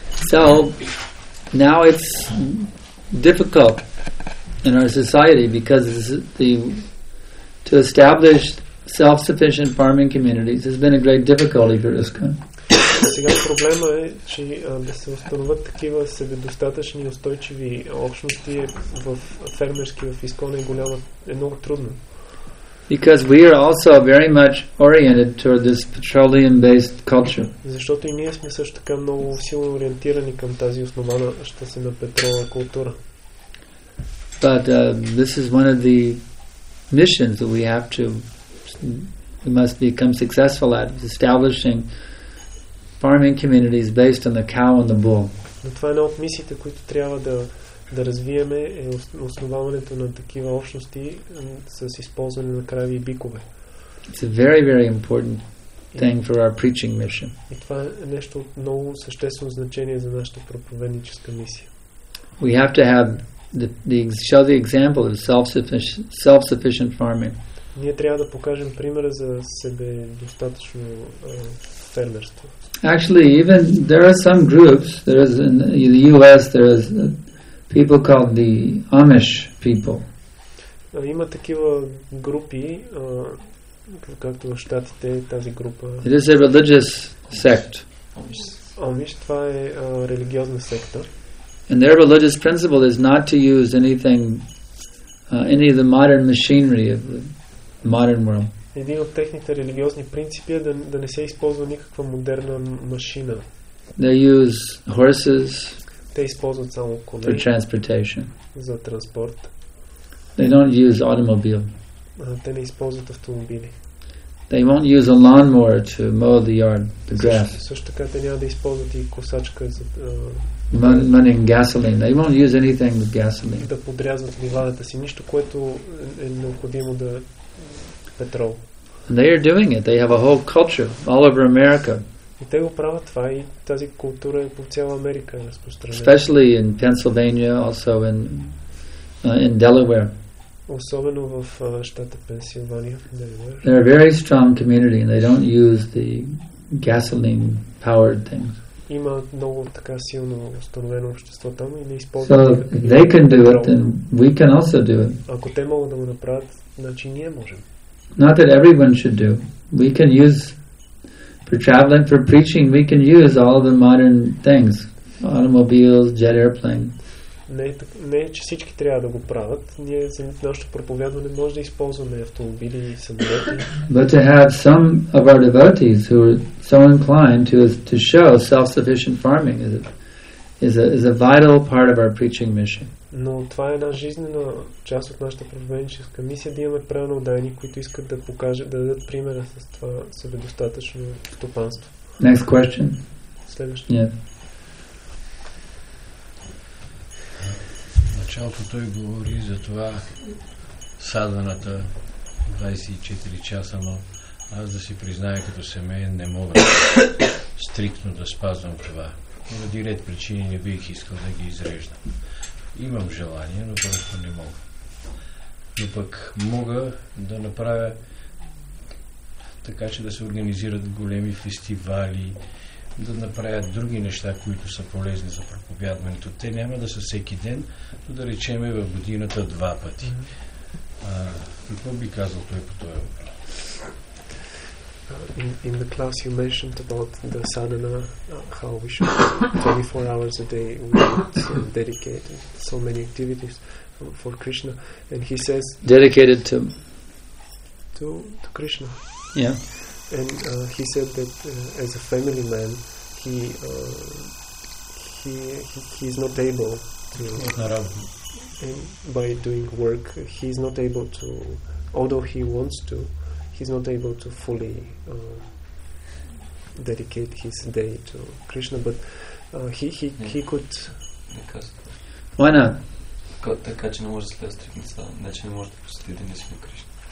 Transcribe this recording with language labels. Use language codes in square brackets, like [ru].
[en] So, now it's difficult in our society because to establish self-sufficient farming communities has been a great difficulty for ISKCON. [bg] Сега проблема е, че да се установят такива себедостатъчни и устойчиви общности в фермерски, в ИСКОН е много трудно. [en] Because we are also very much oriented toward this petroleum-based culture. [bg] Защото и ние сме също така много силно ориентирани към тази основана, що се на петрола култура. [en] But this is one of the missions that we must become successful at, establishing farming communities based on the cow and the bull. [bg] Но това е една от мисиите, които трябва да развиеме, е основаването на такива общности с използване на крави и бикове. [en] It's a very, very important thing for our preaching mission. [bg] И това е нещо от много съществено значение за нашата проповедническа мисия. [en] We have to have show the example of self-sufficient farming. [bg] Ние трябва да покажем примера за себедостатъчно фермерство. [en] Actually, even there are some groups, there is in the US, there is people called the Amish people. [bg] Има такива групи, както в Щатите, тази група. [en] It is a religious sect. [bg] Amish, това е религиозна секта. [en] And their religious principle is not to use anything, any of the modern machinery of the modern world. [bg] Един от техните религиозни принципи е да не се използва никаква модерна машина. [en] They use horses. [bg] Те използват само коли. [en] For transportation. [bg] За транспорт. [en] They don't use automobile. [bg] Те не използват автомобили. [en] They won't use a lawnmower to mow the yard, the grass. [bg] Също така те няма да използват и косачка за [en] Running gasoline. They won't use anything with gasoline. [bg] Да подрязват ливадата си, нищо което е необходимо да петрол. [en] And they are doing it. They have a whole culture all over America. [bg] И те го правят това, и тази култура е по цяла Америка разпространена. [en] Especially in Pennsylvania, also in Delaware. [bg] Особено в щата Пенсилвания, Делавер. [en] They are a very strong community and they don't use the gasoline powered things. [bg] Има много така силно установено общество там и не използва. [en] So, they can do it, then we can also do it. [bg] Ако те могат да го направят, значи ние можем. [en] Not that everyone should do. We can use for traveling, for preaching, we can use all the modern things. Automobiles, jet airplane. [bg] Не е, че всички трябва да го правят. Ние за нашето проповядване може да използваме автомобили и самолети. [en] But to have some of our devotees who are so inclined to show self-sufficient farming is a vital part of our preaching mission. [bg] Но това е една жизнена част от нашата проповедническа мисия, да имаме правилно отдаяни, които искат да покажат, да дадат примера с това себедостатъчно стопанство. [en] Next question. [bg] Следващо. [en] Yeah. [bg] В началото той говори за това садваната 24 часа, но аз да си призная като семейен не мога стриктно да спазвам това. Поради ред причини не бих искал да ги изреждам. Имам желание, но просто не мога. Но пък мога да направя така, че да се организират големи фестивали, да направят други неща, които са полезни за проповядването. Те няма да са всеки ден, но да речем в годината два пъти. Какво би казал той по този въпрос? [en] In the class you mentioned about the sadhana, how we should 24 hours a day dedicate so many activities for Krishna, and he says dedicated to Krishna. Yeah. And he said that as a family man, he's not able to by doing work. He's not able to, although he wants to. He's not able to fully dedicate his day to Krishna, but he could. Why not? [bg] Така че не може да следва стриктно садана, значи не може да посети деня си на Кришна.